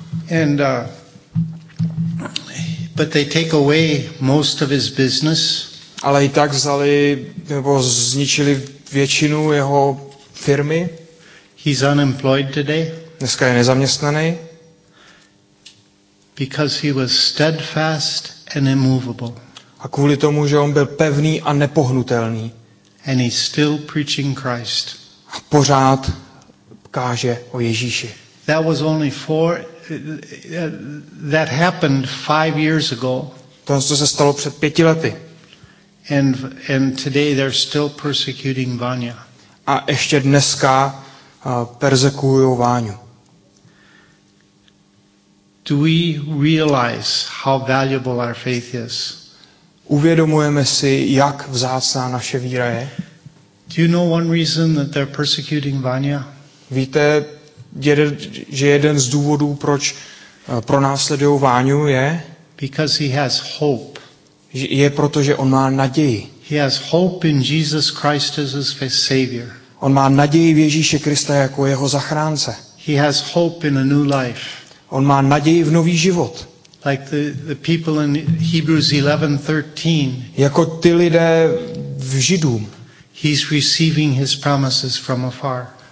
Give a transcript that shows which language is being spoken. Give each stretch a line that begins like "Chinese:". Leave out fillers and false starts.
English: And but they take away most of his business.
Czech: Ale i tak vzali nebo zničili většinu jeho firmy.
English: He's unemployed today.
Czech: Dneska je nezaměstnaný.
English: Because he was steadfast and immovable.
Czech: A kvůli tomu, že on byl pevný a nepohnutelný.
English: And he's still preaching Christ.
Czech: A pořád káže o Ježíši.
English: That was only four. That happened 5 years ago.
Czech: To se stalo před 5 lety.
English: And today they're still persecuting Vanya.
Czech: A ještě dneska perzekují Vanyu.
English: Do we realize how valuable our faith is?
Czech: Uvědomujeme si, jak vzácná naše víra je?
English: Do you know one reason that they're persecuting Vanya?
Czech: Víte, že jeden z důvodů, proč pronásledují Váňu, je?
English: Because he has hope.
Czech: Je proto, že on má naději.
English: He has hope in Jesus Christ as his savior.
Czech: On má naději v Ježíše Krista jako jeho zachránce.
English: He has hope in a new life.
Czech: On má naději v nový život.
English: Like the people in Hebrews 11:13.
Czech: Jako ty lidé v Židům.
English: He's receiving his promises from afar.